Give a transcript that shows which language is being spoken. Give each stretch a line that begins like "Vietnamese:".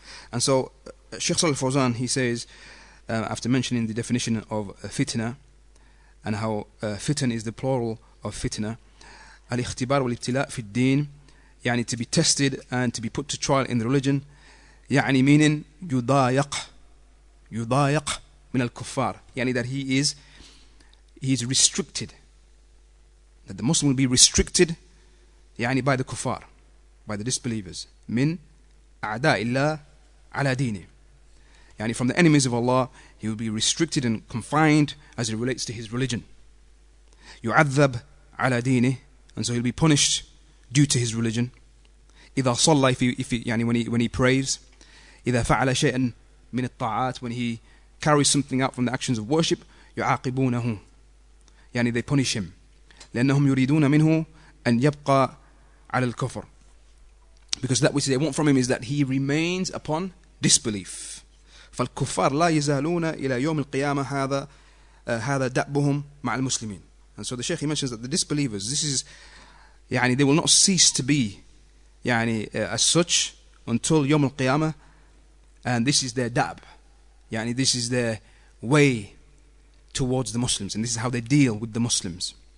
English: And so Sheikh Salih Fawzan, he says, after mentioning the definition of fitna, and how fitna is the plural of fitna,
Arabic: al-ikhtibar wal-ibtila fi al-deen,
English: يعني to be tested and to be put to trial in the religion.
Arabic: يعني
English: meaning
Arabic: يضايق, يضايق من الكفار.
English: يعني that he is restricted. That the Muslim will be restricted, يعني by the kuffar, by the disbelievers.
Arabic: من أعداء الله على دينه.
English: يعني from the enemies of Allah, he will be restricted and confined as it relates to his religion.
Arabic: يعذب على دينه,
English: and so he'll be punished due to his religion.
Arabic: إذا صلى,
English: when he prays.
Arabic: إذا فعل شيئا من الطاعات,
English: when he carries something out from the actions of worship.
Arabic: يعاقبونه,
English: يعني they punish him.
Arabic: لأنهم يريدون منه أن يبقى على الكفر.
English: Because that which they want from him is that he remains upon disbelief.
Arabic: فالكفار لا يزالون إلى يوم القيامة هذا دأبهم مع المسلمين.
English: And so the Shaykh, he mentions that the disbelievers, this is, يعني they will not cease to be, يعني as such until يوم القيامة, and this is their dab, يعني this is their way towards the Muslims, and this is how they deal with the Muslims.